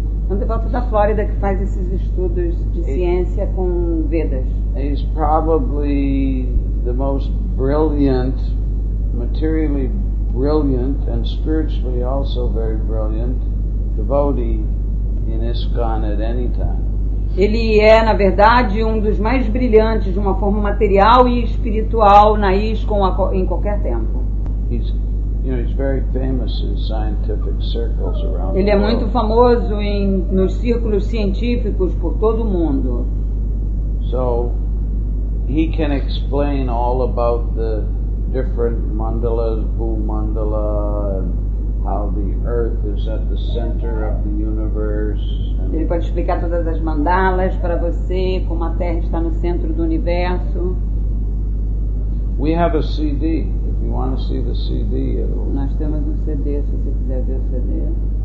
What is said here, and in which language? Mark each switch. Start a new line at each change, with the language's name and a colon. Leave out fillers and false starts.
Portuguese: Um devoto da Flórida que faz esses estudos de ciência com Vedas.
English: He's probably the most brilliant, materially brilliant, and spiritually also very brilliant, devotee in ISKCON at any time.
Portuguese: Ele é, na verdade, um dos mais brilhantes de uma forma material e espiritual na ISKCON em qualquer tempo.
English: He's very famous in scientific circles around.
Portuguese: Ele é muito famoso nos círculos científicos por todo o mundo.
English: So he can explain all about the different mandalas, bhumandala, how the earth is at the center of the universe.
Portuguese: Ele pode explicar todas as mandalas para você, como a Terra está no centro do universo.
English: We have a CD. If you want to see the CD,
Portuguese: nós temos CD, se você quiser ver o CD.